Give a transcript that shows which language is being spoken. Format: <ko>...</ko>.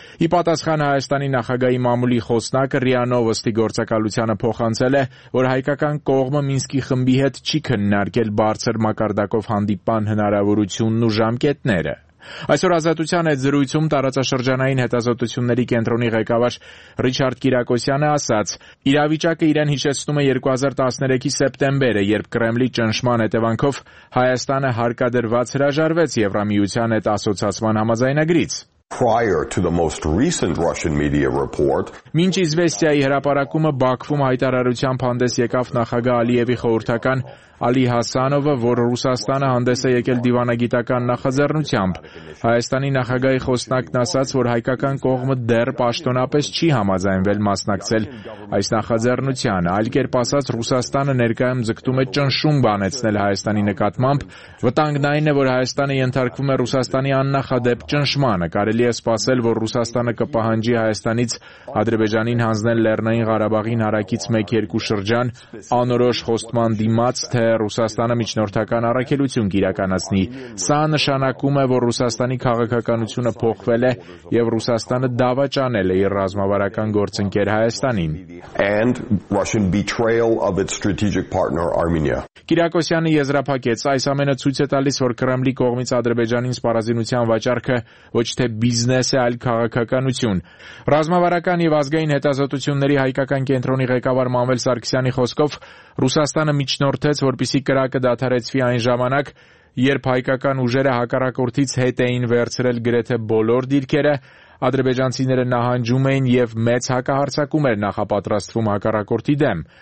<hy>Ի պատասխան Հայաստանի նախագահի մամուլի խոսնակը Ռիա Նովոստի գործակալությանը փոխանցել է, որ հայկական կողմը Մինսկի խմբի հետ չի քննարկել բարձր մակարդակով հանդիպան հնարավորությունն ու ժամկետները։ Այսօր Ազատության այդ զրույցում տարածաշրջանային հետազոտությունների կենտրոնի ղեկավար Ռիչարդ Կիրակոսյանը ասաց. «Իրավիճակը իրեն հիշեցնում է 2013-ի սեպտեմբերը, երբ Կրեմլի ճնշման հետևանքով Հայաստանը հարկադրված հրաժարվեց Եվրամիության այդ ասոցիացիան համաձայնագրից»։</hy> <en>Prior to the most recent Russian media report,</en> <hy>Մինչ Իզվեստիայի հրապարակումը Բաքվում հայտարարությամբ հանդես եկավ նախագահ Ալիևի խորհրդական Ալի Հասանովը, որ Ռուսաստանը հանդես է եկել դիվանագիտական նախաձեռնությամբ։ Հայաստանի նախագահի խոսնակն ասաց, որ հայկական կողմը դեռ պաշտոնապես չի համաձայնվել մասնակցել այս նախաձեռնությանը, այլ կերպ ասած, Ռուսաստանը ներկայում ձգտում է ճնշում բանեցնել Հայաստանի նկատմամբ։ Վտանգն այն է, որ Հայաստանը ենթարկվում է Ռուսաստանի աննախադեպ ճնշմանը, կարելի կարելի է սպասել, որ Ռուսաստանը կպահանջի Հայաստանից Ադրբեջանին հանձնել Լեռնային Ղարաբաղին հարակից 1-2 շրջան անորոշ հոստման դիմաց, թե Ռուսաստանը միջնորդական առաքելություն կիրականացնի։ Սա նշանակում է, որ Ռուսաստանի քաղաքականությունը փոխվել է եւ Ռուսաստանը դավաճանել է իր ռազմավարական գործընկեր Հայաստանին։</hy> <en>And Russian betrayal of its strategic partner Armenia.</en> <hy>Կիրակոսյանը եզրափակեց, այս ամենը ցույց է տալիս, որ Կրեմլի կողմից Ադրբեջանին սպառազինության վաճառքը ոչ թե բիզնես է, այլ քաղաքականություն։ Ռազմավարական եւ ազգային հետազոտությունների հայկական կենտրոնի ղեկավար Մամվել Սարգսյանի խոսքով Ռուսաստանը միջնորդեց, որպեսզի կրակը դադարեցվի այն ժամանակ, երբ հայկական ուժերը հակառակորդից հետ էին վերցրել գրեթե բոլոր դիրքերը, ադրբեջանցիները նահանջում էին եւ մեծ հակահարցակում էր նախապատրաստվում հակառակորդի դեմ։</hy>